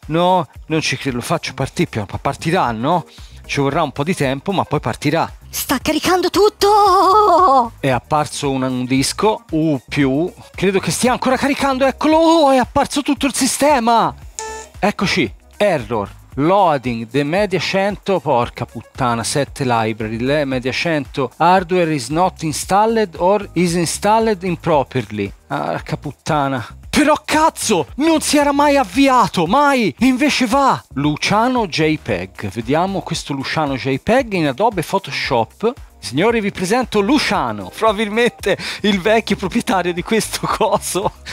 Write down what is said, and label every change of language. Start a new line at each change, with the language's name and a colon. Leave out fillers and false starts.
Italian: No, non ci credo, lo faccio partire. Partirà, no? Ci vorrà un po' di tempo, ma poi partirà. Sta caricando tutto! È apparso un disco, U+. Credo che stia ancora caricando, eccolo! Oh, è apparso tutto il sistema! Eccoci, error.
English: Loading the Media 100,
Italian: porca puttana,
English: set library, the Media 100 hardware is not installed or is installed improperly.
Italian: Porca puttana. Però cazzo, non si era mai avviato, mai! Invece va! Luciano JPEG, vediamo questo Luciano JPEG in Adobe Photoshop. Signori, vi presento Luciano, probabilmente il vecchio proprietario di questo coso.